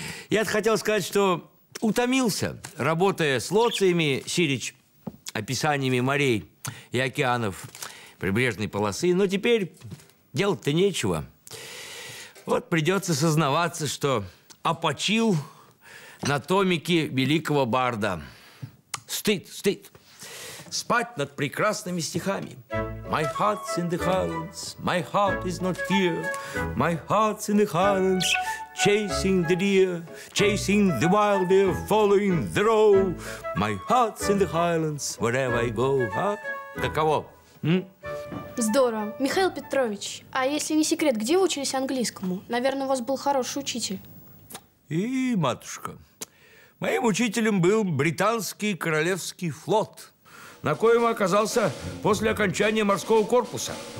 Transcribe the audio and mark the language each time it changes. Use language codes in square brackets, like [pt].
[ru] Я-то хотел сказать, что утомился, работая с лоциями, Сирич, описаниями морей и океанов прибрежной полосы. Но теперь делать-то нечего. Вот придется сознаваться, что опочил на томике великого барда. Стыд. Спать над прекрасными стихами. [en] My heart's in the highlands, my heart is not here. My heart's in the highlands, chasing the deer, chasing the wild deer, following the roe. My heart's in the highlands, wherever I go. [ru] А? Каково? Здорово. Михаил Петрович, а если не секрет, где вы учились английскому? Наверное, у вас был хороший учитель. И, матушка, моим учителем был британский королевский флот, на коем оказался после окончания морского корпуса.